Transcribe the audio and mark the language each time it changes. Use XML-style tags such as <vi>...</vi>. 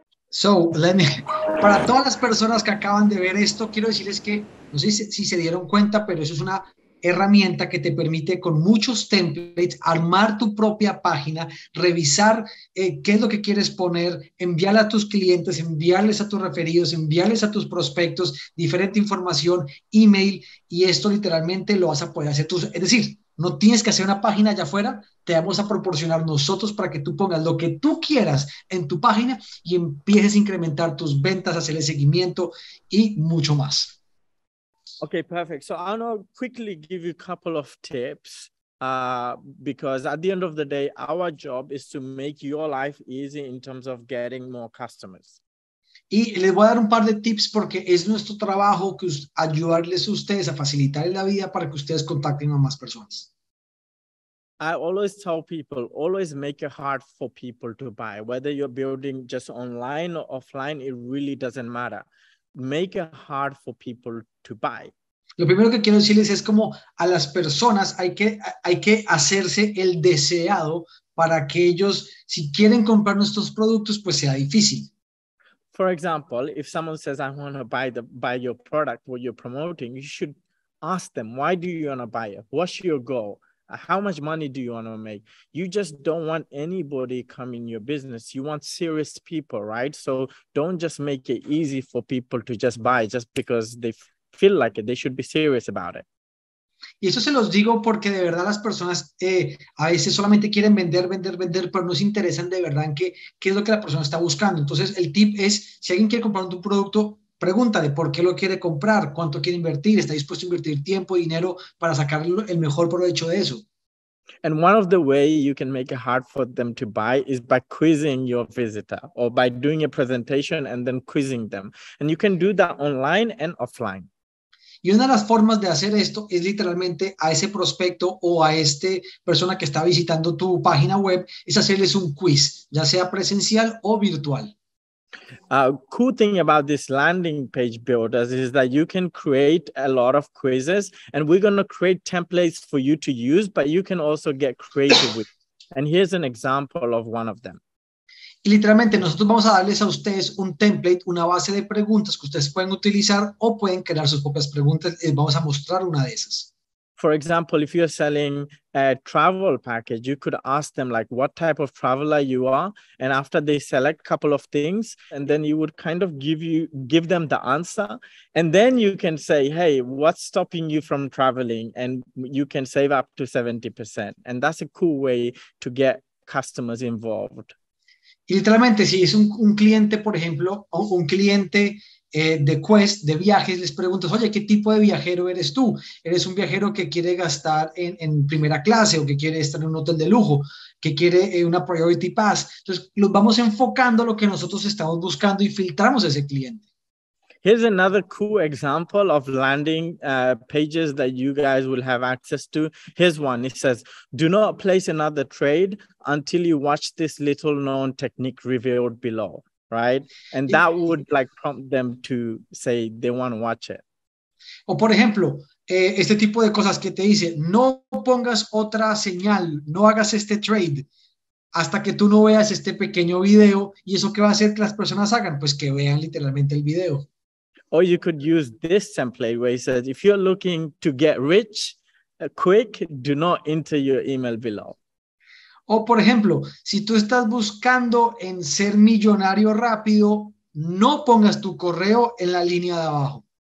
<es>So, para todas las personas que acaban de ver esto, quiero decirles que, no sé si se dieron cuenta, pero eso es una herramienta que te permite con muchos templates armar tu propia página, revisar qué es lo que quieres poner, enviarle a tus clientes, enviarles a tus referidos, enviarles a tus prospectos, diferente información, email, y esto literalmente lo vas a poder hacer tú. Es decir, no tienes que hacer una página allá afuera, te vamos a proporcionar nosotros para que tú pongas lo que tú quieras en tu página y empieces a incrementar tus ventas, hacerle seguimiento y mucho más.</es> <en>Okay, perfect. So I'll now quickly give you a couple of tips because at the end of the day, our job is to make your life easy in terms of getting more customers.</en> <es>Y les voy a dar un par de tips porque es nuestro trabajo que ayudarles a ustedes a facilitar la vida para que ustedes contacten a más personas.</es> <en>I always tell people, always make it hard for people to buy. Whether you're building just online or offline, it really doesn't matter. Make it hard for people to buy.</en> <es>Lo primero que quiero decirles es como a las personas hay que hacerse el deseado para que ellos, si quieren comprar nuestros productos, pues sea difícil.</es> <en>For example, if someone says, I want to buy your product, what you're promoting, you should ask them, why do you want to buy it? What's your goal? How much money do you want to make? You just don't want anybody coming to your business. You want serious people, right? So don't just make it easy for people to just buy just because they feel like it. They should be serious about it.</en> <es>Y eso se los digo porque de verdad las personas a veces solamente quieren vender, pero no se interesan de verdad en qué es lo que la persona está buscando. Entonces el tip es, si alguien quiere comprar un producto, pregúntale por qué lo quiere comprar, cuánto quiere invertir, está dispuesto a invertir tiempo y dinero para sacar el mejor provecho de eso.</es> <en>And one of the ways you can make it hard for them to buy is by quizzing your visitor or by doing a presentation and then quizzing them. And you can do that online and offline.</en> <es>Y una de las formas de hacer esto es literalmente a ese prospecto o a esta persona que está visitando tu página web, es hacerles un quiz, ya sea presencial o virtual.</es> <en>Cool thing about this landing page builders is that you can create a lot of quizzes, and we're going to create templates for you to use, but you can also get creative with it. And here's an example of one of them.</en> <es>Y literalmente nosotros vamos a darles a ustedes un template, una base de preguntas que ustedes pueden utilizar o pueden crear sus propias preguntas. Les vamos a mostrar una de esas.</es> <en>For example, if you're selling a travel package, you could ask them like what type of traveler you are, and after they select a couple of things, and then you would kind of give them the answer, and then you can say, hey, what's stopping you from traveling? And you can save up to 70%. And that's a cool way to get customers involved.</en> <es>Y literalmente, si es un cliente, por ejemplo, o un cliente de Quest, de viajes, les preguntas, oye, ¿qué tipo de viajero eres tú? ¿Eres un viajero que quiere gastar en primera clase o que quiere estar en un hotel de lujo, que quiere una Priority Pass? Entonces, los vamos enfocando lo que nosotros estamos buscando y filtramos a ese cliente.</es> <en>Here's another cool example of landing pages that you guys will have access to. Here's one. It says, do not place another trade until you watch this little known technique revealed below, right? And that would like prompt them to say they want to watch it.</en> <es>O por ejemplo, este tipo de cosas que te dice, no pongas otra señal, no hagas este trade hasta que tú no veas este pequeño video. ¿Y eso qué va a hacer que las personas hagan? Pues que vean literalmente el video.</es> <en>Or you could use this template where it says, if you're looking to get rich quick, do not enter your email below.</en> <es>O por ejemplo, si tú estás buscando en ser millonario rápido, no pongas tu correo en la línea de abajo.</es>